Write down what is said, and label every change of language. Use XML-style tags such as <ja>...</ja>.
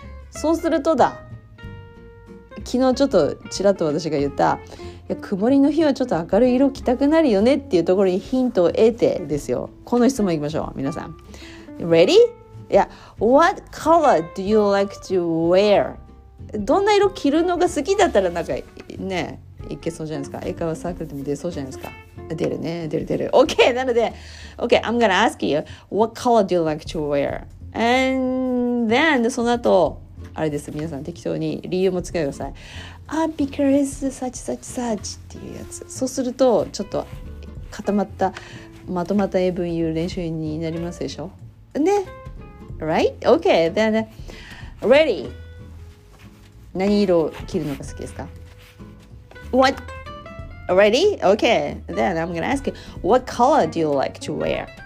<ja>そうするとだ、昨日ちょっとちらっと私が言った、いや曇りの日はちょっと明るい色着たくなるよねっていうところにヒントを得てですよ。この質問いきましょう、皆さん</ja> <en>Ready? Yeah. What color do you like to wear?</en> <ja>どんな色着るのが好きだったら、なんかね、いけそうじゃないですか。英会話サークルでも出そうじゃないですか。出るね、出る出る。</ja> <en>OK、</en> <ja>なので</ja> <en>OK、 I'm gonna ask you What color do you like to wear? And then</en> <ja>その後あれです、皆さん適当に理由もつけてください。</ja> <en>Because such such such</en> <ja>っていうやつ。そうするとちょっと固まったまとまった英文言う練習になりますでしょね。</ja> <en>Right? OK、 then Ready?</en> <ja>何色を着るのが好きですか？</ja> <en>What? Ready? Okay. Then I'm gonna ask you, what color do you like to wear?</en>